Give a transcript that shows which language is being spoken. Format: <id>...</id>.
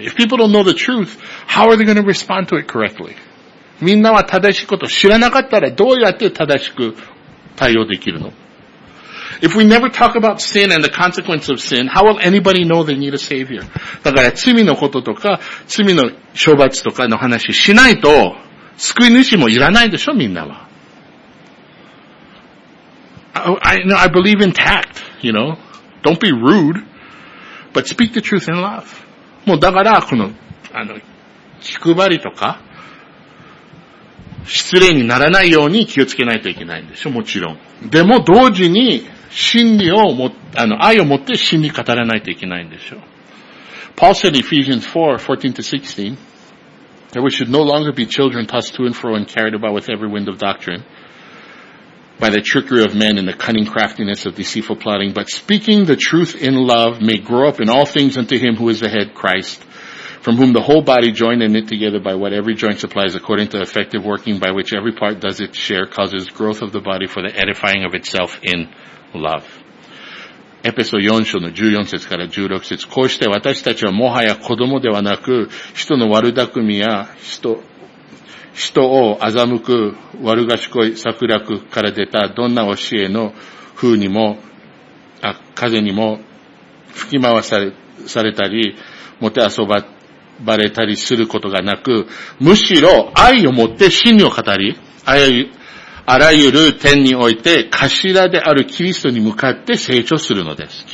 <en>If people don't know the truth, how are they going to respond to it correctly?</en> <ja>みんなは正しいこと知らなかったらどうやって正しく対応できるの?</ja> <en>If we never talk about sin and the consequence of sin, how will anybody know they need a savior?</en> <ja>だから罪のこととか、罪の処罰とかの話しないと、救い主もいらないでしょ、みんなは。</ja> <en>I believe in tact, you know. Don't be rude, but speak the truth in love.</en> <ja>もうだから、この、気配りとか、失礼にならないように気をつけないといけないんでしょ、もちろん。でも同時に、真理をも、愛を持って真理語らないといけないんでしょ。</ja> <en>Paul said in Ephesians 4:14-16,That we should no longer be children tossed to and fro and carried about with every wind of doctrine by the trickery of men and the cunning craftiness of deceitful plotting, but speaking the truth in love may grow up in all things unto him who is the head, Christ, from whom the whole body joined and knit together by what every joint supplies according to effective working by which every part does its share causes growth of the body for the edifying of itself in love.</en> <ja>エペソ4章の14節から16節。こうして私たちはもはや子供ではなく、人の悪巧みや人を欺く悪賢い策略から出たどんな教えの風にも、風にも吹き回されたり、もてあそばれたりすることがなく、むしろ愛を持って真理を語り、あらゆる点において頭であるキリストに向かって成長するのです。</ja>